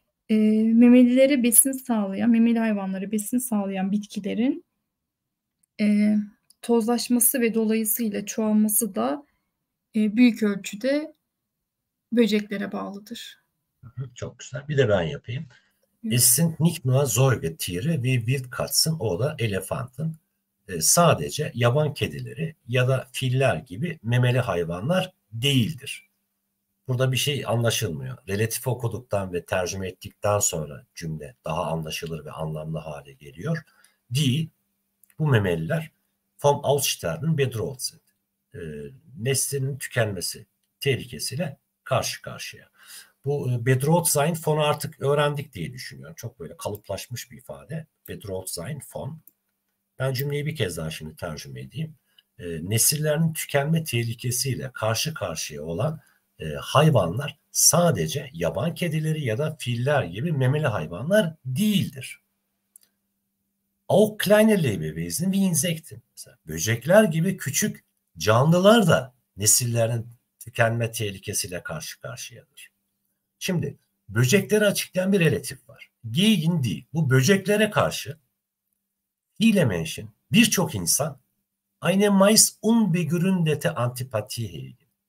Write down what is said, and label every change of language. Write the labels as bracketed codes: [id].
[tr] Memelilere besin sağlayan, memeli hayvanlara besin sağlayan bitkilerin tozlaşması ve dolayısıyla çoğalması da büyük ölçüde böceklere bağlıdır. Çok güzel. Bir de ben yapayım. Buyurun. [de] Essint nicht nur Säugetiere wie Wildkatzen oder Elefanten. [tr] Sadece yaban kedileri ya da filler gibi memeli hayvanlar değildir. Burada bir şey anlaşılmıyor. Relatif okuduktan ve tercüme ettikten sonra cümle daha anlaşılır ve anlamlı hale geliyor. [de] Die, [tr] bu memeliler [de] vom Aussterben bedroht sind. [tr] Neslinin tükenmesi tehlikesiyle karşı karşıya. Bu [de] bedroht sein von [tr] artık öğrendik diye düşünüyorum. Çok böyle kalıplaşmış bir ifade. [de] Bedroht sein von. [tr] Ben cümleyi bir kez daha şimdi tercüme edeyim. Nesillerinin tükenme tehlikesiyle karşı karşıya olan hayvanlar sadece yaban kedileri ya da filler gibi memeli hayvanlar değildir. [de] Auch kleine Lebewesen wie Insekten. [tr] Mesela böcekler gibi küçük canlılar da nesillerin tükenme tehlikesiyle karşı karşıyadır. Şimdi böcekleri açıklayan bir relatif var. [de] Gegen die, [tr] bu böceklere karşı [de] Viele Menschen, [tr] birçok insan, [de] eine meist unbegründete Antipathie hegen.